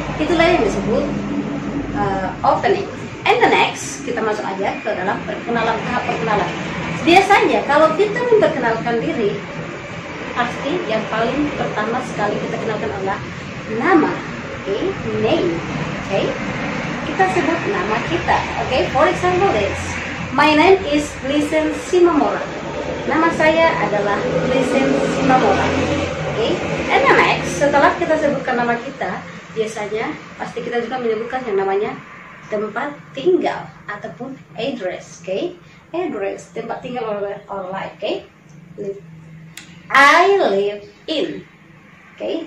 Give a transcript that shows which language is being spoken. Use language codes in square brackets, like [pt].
[id] Itulah yang disebut opening. [en] And the next, [id] kita masuk aja ke dalam perkenalan, tahap perkenalan. Biasanya kalau kita memperkenalkan diri, pasti yang paling pertama sekali kita kenalkan adalah nama, okay? Name, okay? Kita sebut nama kita, okay? [en] For example, it's my name is Lisen Simamora. [id] Nama saya adalah Lisen Simamora, okay? [en] And then next, [id] setelah kita sebutkan nama kita, biasanya pasti kita juga menyebutkan yang namanya tempat tinggal ataupun address, okay? Address, tempat tinggal or like, okay? [en] I live in, [id] okay?